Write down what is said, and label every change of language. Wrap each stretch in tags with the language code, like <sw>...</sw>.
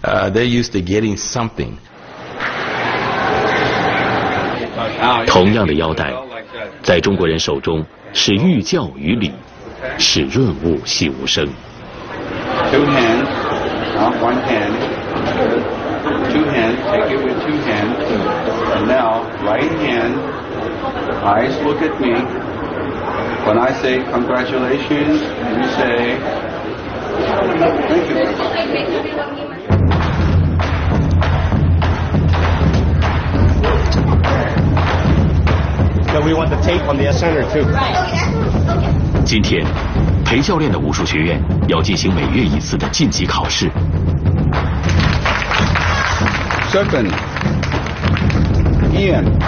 <en>They're used to getting something.</en> <zh>同样的腰带，在中国人手中是寓教于礼，是润物细无声。</zh> <en>Two hands, not one hand. Two hands, take it with two hands. And now, right hand, eyes look at me. When I say congratulations, you say, thank you. So we want the tape on the center too. Right. Okay.</en> <zh>今天，裴教练的武术学院要进行每月一次的晋级考试。</zh> <en>Seven. Ian.</en>